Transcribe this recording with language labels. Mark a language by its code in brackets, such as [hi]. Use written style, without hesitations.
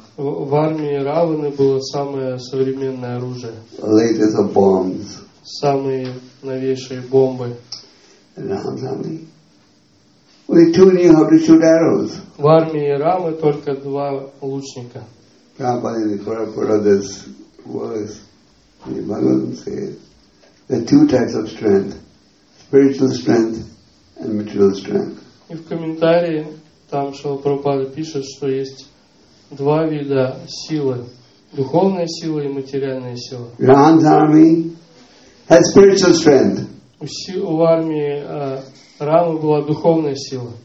[ru] В армии Раваны было самое современное оружие. [en] Latest of bombs. [ru] Самые новейшие бомбы. [en] Only two knew how to shoot arrows. [ru] В армии Рамы только два лучника. [en] Prabhupada in the Prabhupada this was in the Bhagavad said there are two types of strength: spiritual strength and material strength. [ru] И в комментарии там Шрила Прабхупада пишет, что есть два вида силы: духовная сила и материальная сила. [en] Ram's army has spiritual strength. [ru] У армии Рамы была духовная сила.